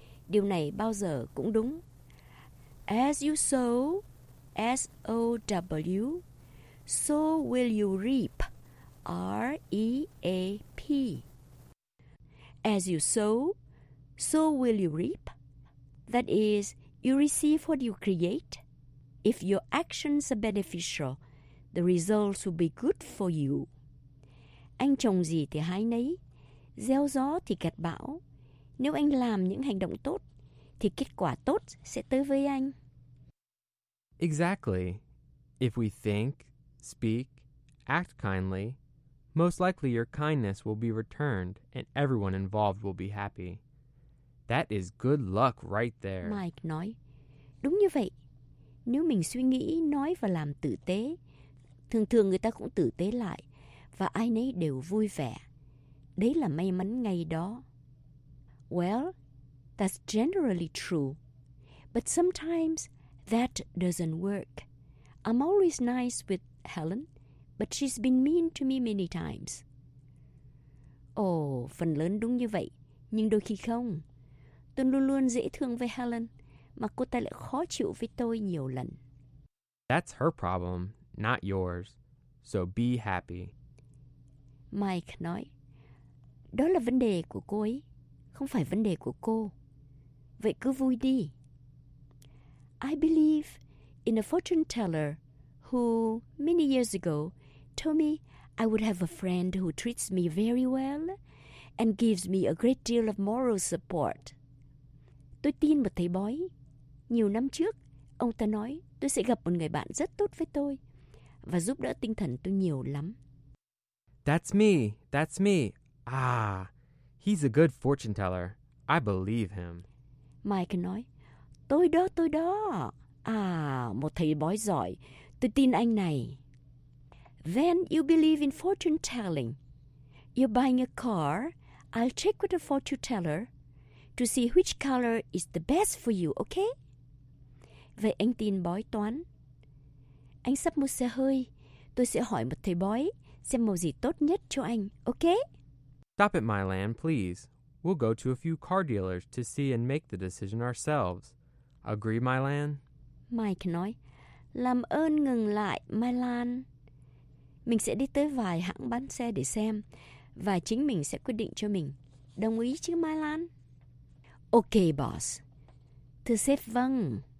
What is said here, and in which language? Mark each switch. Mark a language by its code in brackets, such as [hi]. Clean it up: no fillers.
[vi] Điều này bao giờ cũng đúng. [en] As you sow, S-O-W, so will you reap, R-E-A-P. As you sow, so will you reap. That is, you receive what you create. If your actions are beneficial, the results will be good for you. [vi] Anh trồng gì thì hái nấy. Gieo gió thì gặt bão. Nếu anh làm những hành động tốt, thì kết quả tốt sẽ tới với anh. [en] Exactly. If we think, speak, act kindly, most likely your kindness will be returned and everyone involved will be happy. That is good luck right there. [vi] Mike nói, đúng như vậy. Nếu mình suy nghĩ, nói và làm tử tế, thường thường người ta cũng tử tế lại và ai nấy đều vui vẻ. Đấy là may mắn ngày đó. [en] Well, that's generally true. But sometimes that doesn't work. I'm always nice with Helen, but she's been mean to me many times. [vi] Oh, phần lớn đúng như vậy, nhưng đôi khi không. Tôi luôn luôn dễ thương với Helen, mà cô ta lại khó chịu với tôi nhiều lần. [en] That's her problem, not yours. So be happy. [vi] Mike nói, đó là vấn đề của cô ấy, không phải vấn đề của cô. Vậy cứ vui đi. [en] I believe in a fortune teller who, many years ago, told me I would have a friend who treats me very well and gives me a great deal of moral support. [vi] Tôi tin một thầy bói. Nhiều năm trước, ông ta nói tôi sẽ gặp một người bạn rất tốt với tôi và giúp đỡ tinh thần tôi nhiều lắm. [en] That's me. Ah, he's a good fortune teller. I believe him. [vi] Mike nói, tôi đó. À, một thầy bói giỏi. Tôi tin anh này. [en] Then you believe in fortune telling. You're buying a car. I'll check with a fortune teller to see which color is the best for you, okay? [vi] Vậy anh tin bói toán. Anh sắp mua xe hơi. Tôi sẽ hỏi một thầy bói xem màu gì tốt nhất cho anh, okay? [en] Stop it, Mylan, please. We'll go to a few car dealers to see and make the decision ourselves. Agree, Mylan? [vi] Mike nói, làm ơn ngừng lại, Mylan. Mình sẽ đi tới vài hãng bán xe để xem, và chính mình sẽ quyết định cho mình. Đồng ý chứ, Mylan? [en] Okay, boss. [vi] Thưa sếp, vâng.